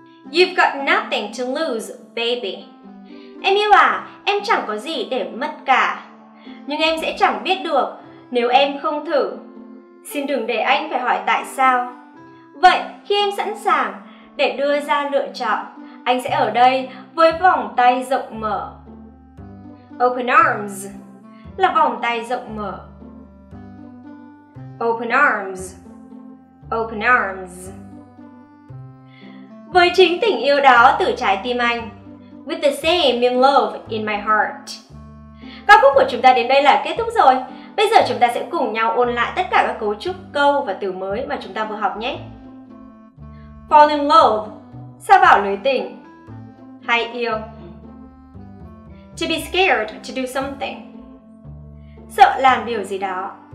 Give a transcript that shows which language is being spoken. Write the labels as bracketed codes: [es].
[en] You've got nothing to lose, baby. [vi] Em yêu à, em chẳng có gì để mất cả. Nhưng em sẽ chẳng biết được nếu em không thử. Xin đừng để anh phải hỏi tại sao. Vậy khi em sẵn sàng để đưa ra lựa chọn, anh sẽ ở đây với vòng tay rộng mở. [en] Open arms [vi] là vòng tay rộng mở. Open arms. [en] Open arms. [vi] Với chính tình yêu đó từ trái tim anh. [en] With the same in love in my heart. [vi] Ca khúc của chúng ta đến đây là kết thúc rồi. Bây giờ chúng ta sẽ cùng nhau ôn lại tất cả các cấu trúc câu và từ mới mà chúng ta vừa học nhé. [en] Fall in love, [vi] sa vào lưới tình, hay yêu. [en] To be scared to do something, [vi] sợ làm điều gì đó.